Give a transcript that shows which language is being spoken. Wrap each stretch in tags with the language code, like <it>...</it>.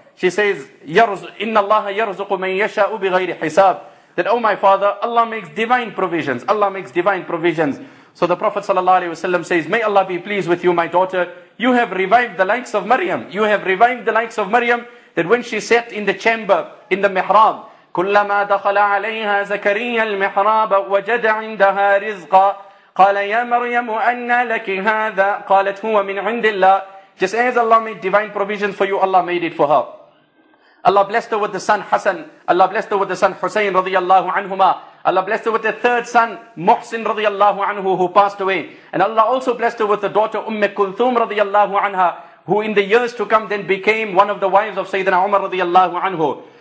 <en>She says,</en> <ar>"Inna Allah yarzuqu man yasha'u bighayri hisab."</ar> <en>That, "Oh my father, Allah makes divine provisions. Allah makes divine provisions." So the Prophet sallallahu alaihi wasallam says, "May Allah be pleased with you, my daughter. You have revived the likes of Maryam. You have revived the likes of Maryam." That when she sat in the chamber, in the mihrab,</en> <ar>كُلَّمَا دَخَلَ عَلَيْهَا زَكَرِيَّا الْمِحْرَابَ وَجَدَ عِنْدَهَا رِزْقًا قَالَ يَا مَرْيَمُ أَنَّا لَكِ هَذَا قَالَتْ هُوَ مِنْ عِنْدِ اللَّهِ.</ar> <en>Just as Allah made divine provisions for you, Allah made it for her. Allah blessed her with the son Hassan. Allah blessed her with the son Hussein radiallahu anhuma. Allah blessed her with the third son Muhsin radiallahu anhu, who passed away. And Allah also blessed her with the daughter Umm Kulthum radiallahu anha, who in the years to come then became one of the wives of Sayyidina Umar radiallahu anhu.</en>